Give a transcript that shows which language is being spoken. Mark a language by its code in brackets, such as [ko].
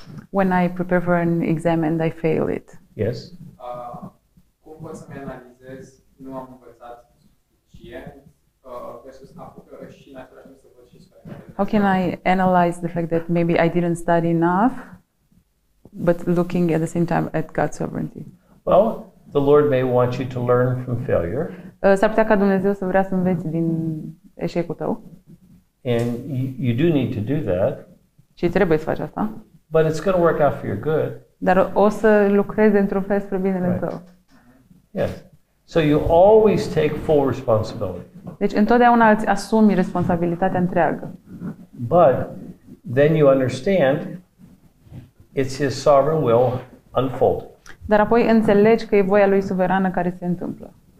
[en] When I prepare for an exam and I fail it. Yes. [ro] Cum pot să-mi analizez nu am învățat suficient versus apucă și în același timp să văd și suficient. [en] How can I analyze the fact that maybe I didn't study enough, but looking at the same time at God's sovereignty? Well, the Lord may want you to learn from failure. [ro] S-ar putea ca Dumnezeu să vrea să înveți din eșecul tău. [en] And you do need to do that. [ro] Și trebuie să faci asta. [en] But it's going to work out for your good. [ro] Dar o să lucreze într-un fel spre binele right. tău. [en] Yes. So you always take full responsibility. [ro] Deci întotdeauna îți asumi responsabilitatea întreagă. [en] But then you understand it's his sovereign will unfold. [ro] Dar apoi înțelegi că e voia lui suverană care se întâmplă.